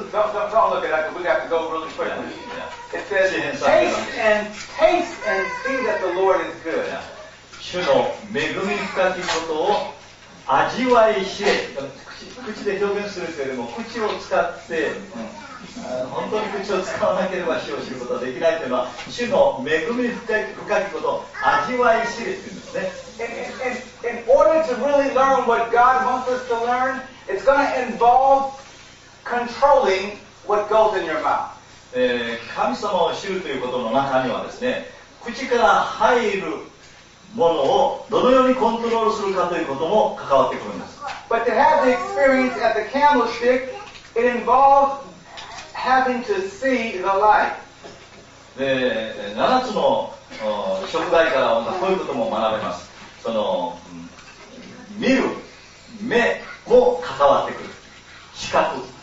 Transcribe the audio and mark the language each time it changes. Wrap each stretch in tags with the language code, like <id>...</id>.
<en>Don't look at that, we have to go really quickly. Yeah, yeah. It says, taste and see that the Lord is good. Yeah.</en> <ja>主の恵み深きことを味わい知れ。口で表現するけれども、口を使って、本当に口を使わなければ主を知ることはできないというのは、主の恵み深きことを味わい知れというんですね。</ja> <en>In order to really learn what God wants us to learn, it's going to involve controlling what goes in your mouth.</en> <ja>神様を知るということの中にはですね、口から入るものをどのようにコントロールするかということも関わってくるんです。</ja> <en>But to have the experience at the candlestick, it involves having to see the light.</en> <ja>7つの食材からこういうことも学べます。その見る目も関わってくる視覚。</ja>